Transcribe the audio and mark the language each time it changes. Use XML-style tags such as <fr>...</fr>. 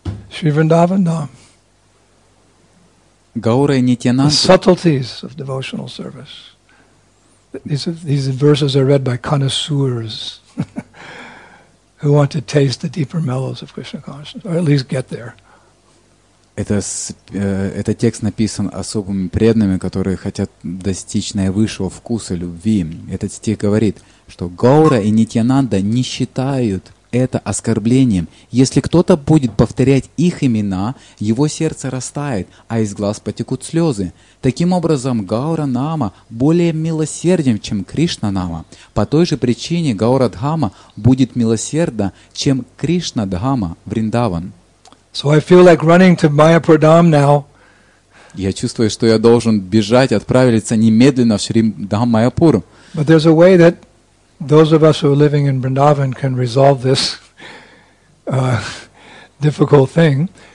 <en>Sri Vrindavandham. Gaura and Nityananda. The subtleties of devotional service. These verses are read by connoisseurs who want to taste the deeper mellows of Krishna consciousness, or at least get there.</en> <ru>Этот текст написан особыми преданными, которые хотят достичь наивысшего вкуса любви. Этот стих говорит, что Гаура и Нитьянанда не считают это оскорблением. Если кто-то будет повторять их имена, его сердце растает, а из глаз потекут слезы. Таким образом, Гауранама более милосерден, чем Кришнанама. По той же причине Гаурадхама будет милосерда, чем Кришнадхама Вриндаван.</ru> <en>So I feel like running to Mayapur Dham now.</en> <ru>Я чувствую, что я должен бежать, отправиться немедленно в Шримдхам Майяпур.</ru> <en>But there's a way that those of us who are living in Vrindavan can resolve this difficult thing.</en>